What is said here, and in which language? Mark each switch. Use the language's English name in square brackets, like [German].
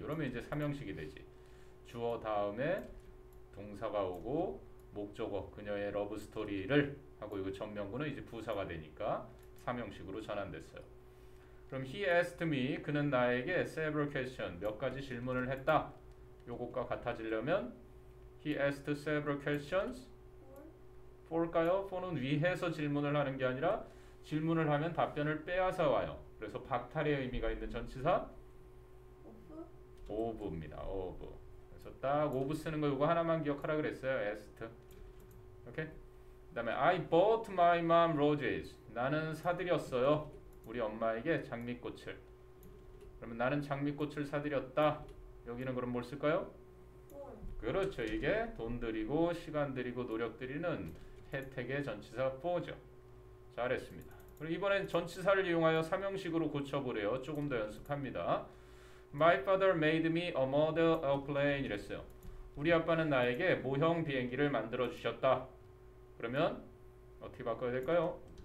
[Korean] 그러면 이제 삼형식이 되지. 주어 다음에 동사가 오고 목적어 그녀의 러브 스토리를 하고 이거 전명구는 이제 부사가 되니까 삼형식으로 전환됐어요. 그럼 [English] he asked me [Korean] 그는 나에게 [English] several questions [Korean] 몇 가지 질문을 했다. 요것과 같아지려면 [English] he asked several questions [Korean] 볼까요? for는 위해서 질문을 하는 게 아니라 질문을 하면 답변을 빼앗아 와요. 그래서 박탈의 의미가 있는 전치사 of입니다. [English] of. [Korean] 그래서 딱 of 쓰는 거 이거 하나만 기억하라 그랬어요. [English] asked. 오케이. 그다음에 I bought my mom roses. [Korean] 나는 사들였어요. 우리 엄마에게 장미꽃을. 그러면 나는 장미꽃을 사들였다. 여기는 그럼 뭘 쓸까요? 그렇죠. 이게 돈 드리고 시간 드리고 노력 드리는 혜택의 전치사 for죠. 잘했습니다. 그럼 이번엔 전치사를 이용하여 삼형식으로 고쳐보래요. 조금 더 연습합니다. [English] My father made me a model airplane [Korean] 이랬어요. 우리 아빠는 나에게 모형 비행기를 만들어 주셨다. 그러면 어떻게 바꿔야 될까요?